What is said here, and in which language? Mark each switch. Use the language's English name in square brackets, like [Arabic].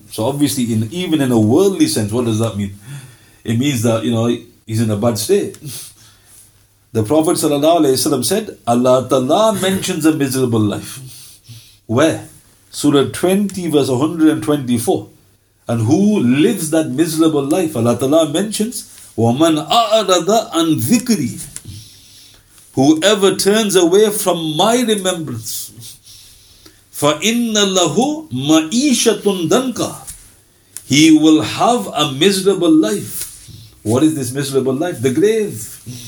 [English] So obviously, even in a worldly sense, what does that mean? It means that, you know, he's in a bad state. The Prophet sallallahu alaihi wasallam said, Allah ta'ala mentions a miserable life. Where? Surah 20 verse 124. And who lives that miserable life? Allah ta'ala mentions, [Arabic] وَمَنْ أَعْرَضَ عَنْ ذِكْرِي. [English] Whoever turns away from my remembrance, [Arabic] فَإِنَّ لَهُ مَعِيشَةٌ دَنْكَ. [English] He will have a miserable life. What is this miserable life? The grave.